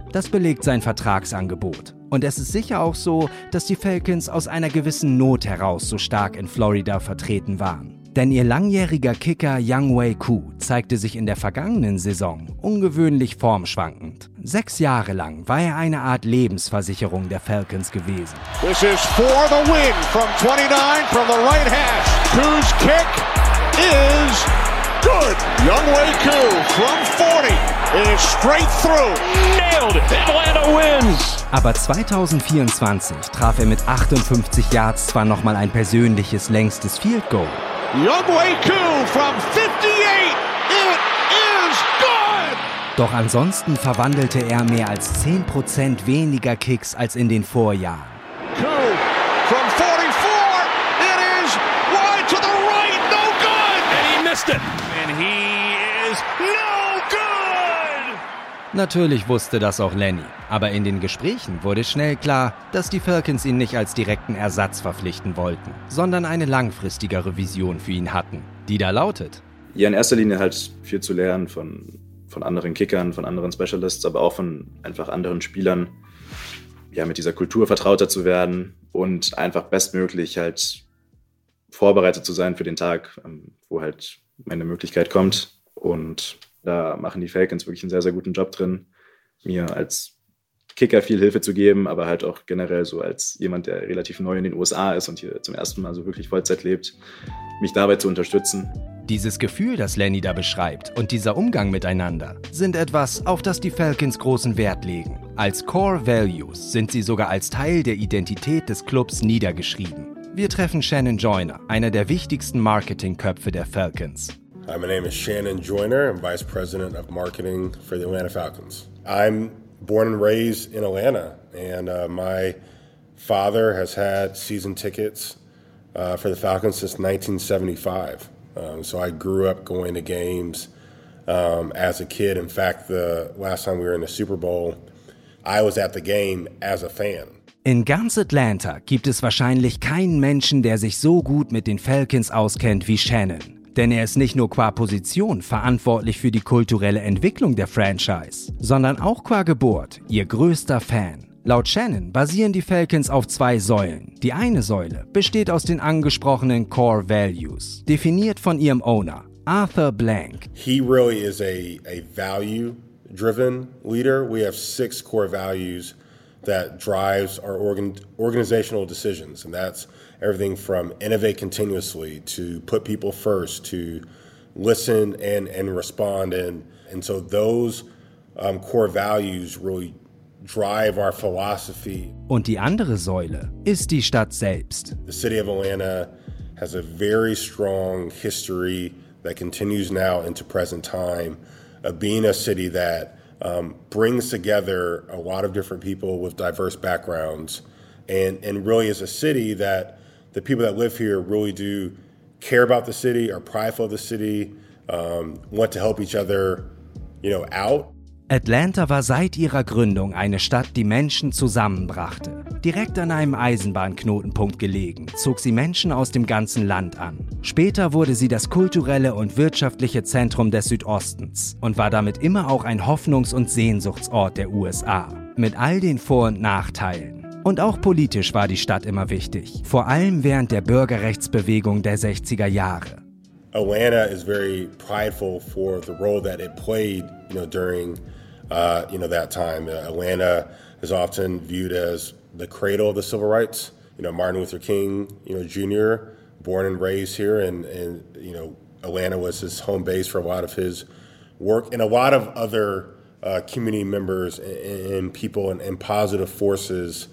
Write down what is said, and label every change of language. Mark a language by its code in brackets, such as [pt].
[de] Das belegt sein Vertragsangebot. Und es ist sicher auch so, dass die Falcons aus einer gewissen Not heraus so stark in Florida vertreten waren. Denn ihr langjähriger Kicker Youngway Koo zeigte sich in der vergangenen Saison ungewöhnlich formschwankend. 6 Jahre lang war er eine Art Lebensversicherung der Falcons gewesen. [en] This is for the win from 29 from the right hash. Koo's kick is good. Youngway Koo from 40 is straight through. Nailed it. Atlanta wins. [de] Aber 2024 traf er mit 58 Yards zwar nochmal ein persönliches längstes Field Goal. [en] Youngway Koo from 58, it is good! [de] Doch ansonsten verwandelte er mehr als 10% weniger Kicks als in den Vorjahren. [en] Koo from 44, it is wide to the right, no good! And he missed it! And he is no good! [de] Natürlich wusste das auch Lenny, aber in den Gesprächen wurde schnell klar, dass die Falcons ihn nicht als direkten Ersatz verpflichten wollten, sondern eine langfristigere Vision für ihn hatten, die da lautet. Ja, in erster Linie halt viel zu lernen von anderen Kickern, von anderen Specialists, aber auch von einfach anderen Spielern, ja, mit dieser Kultur vertrauter zu werden und einfach bestmöglich halt vorbereitet zu sein für den Tag, wo halt meine Möglichkeit kommt. Und da machen die Falcons wirklich einen sehr, sehr guten Job drin, mir als Kicker viel Hilfe zu geben, aber halt auch generell so als jemand, der relativ neu in den USA ist und hier zum ersten Mal so wirklich Vollzeit lebt, mich dabei zu unterstützen. Dieses Gefühl, das Lenny da beschreibt und dieser Umgang miteinander, sind etwas, auf das die Falcons großen Wert legen. Als Core Values sind sie sogar als Teil der Identität des Clubs niedergeschrieben. Wir treffen Shannon Joyner, einer der wichtigsten Marketingköpfe der Falcons. [en] Hi, my name is Shannon Joyner, I'm Vice President of Marketing for the Atlanta Falcons. I'm born and raised in Atlanta, and my father has had season tickets for the Falcons since 1975. So I grew up going to games as a kid. In fact, the last time we were in the Super Bowl, I was at the game as a fan. [de] In ganz Atlanta gibt es wahrscheinlich keinen Menschen, der sich so gut mit den Falcons auskennt wie Shannon. Denn er ist nicht nur qua Position verantwortlich für die kulturelle Entwicklung der Franchise, sondern auch qua Geburt ihr größter Fan. Laut Shannon basieren die Falcons auf 2 Säulen. Die eine Säule besteht aus den angesprochenen Core Values, definiert von ihrem Owner, Arthur Blank. [en] He really is a value-driven leader. We have 6 core values that drives our organizational decisions, and that's everything from innovate continuously to put people first to listen and respond. And so those core values really drive our philosophy. [de] Und die andere Säule ist die Stadt selbst. [en] The city of Atlanta has a very strong history that continues now into present time of being a city that brings together a lot of different people with diverse backgrounds and really is a city that the people that live here really do care about the city, are prideful of the city, want to help each other, you know, out. [de] Atlanta war seit ihrer Gründung eine Stadt, die Menschen zusammenbrachte. Direkt an einem Eisenbahnknotenpunkt gelegen, zog sie Menschen aus dem ganzen Land an. Später wurde sie das kulturelle und wirtschaftliche Zentrum des Südostens und war damit immer auch ein Hoffnungs- und Sehnsuchtsort der USA. Mit all den Vor- und Nachteilen. Und auch politisch war die Stadt immer wichtig, vor allem während der Bürgerrechtsbewegung der 60er Jahre. [en] Atlanta is very prideful for the role that it played, you know, during that time. Atlanta is often viewed as the cradle of the civil rights. You know, Martin Luther King, you know, Jr., born and raised here, and you know, Atlanta was his home base for a lot of his work and a lot of other community members and people and positive forces.